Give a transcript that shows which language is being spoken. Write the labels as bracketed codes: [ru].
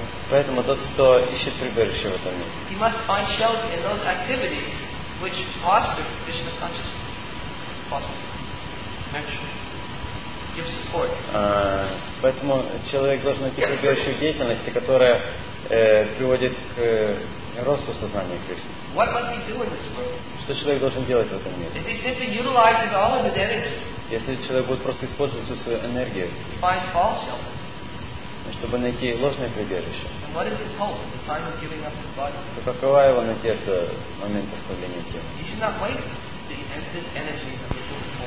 [ru] Поэтому тот, кто ищет прибежище в этом мире, поэтому человек должен найти прибежище в деятельности, которая приводит к росту сознания Кришны. [en] What must he do in this world? [ru] Что человек должен делать в этом мире? [en] If he simply utilizes all of his energy, [ru] если человек будет просто использовать всю свою энергию, [en] to find false shelter, [ru] чтобы найти ложное прибежище, [en] and what is his hope at the time of giving up his body? [ru] То какова его надежда в момент оставления тела? [en] He should not wait for this energy of his own.